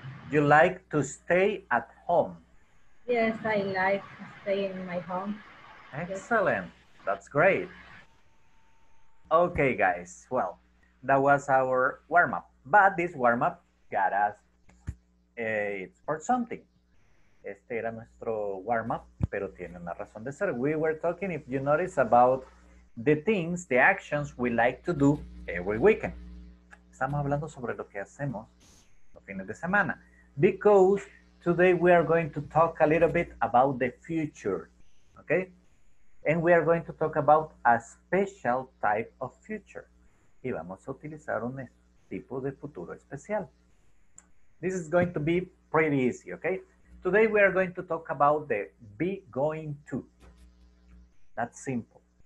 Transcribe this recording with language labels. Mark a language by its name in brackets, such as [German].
[English] You like to stay at home? Yes, I like to stay in my home. Excellent. Yes. That's great. Okay, guys. Well, that was our warm-up. But this warm-up got us for something. [Spanish] Este era nuestro warm-up, pero tiene una razón de ser. [English] We were talking, if you notice, about the things, the actions we like to do every weekend. [Spanish] Estamos hablando sobre lo que hacemos los fines de semana. [English] Because today we are going to talk a little bit about the future, okay? And we are going to talk about a special type of future. [Spanish] Y vamos a utilizar un tipo de futuro especial. [English] This is going to be pretty easy, okay? Today we are going to talk about the be going to. That's simple.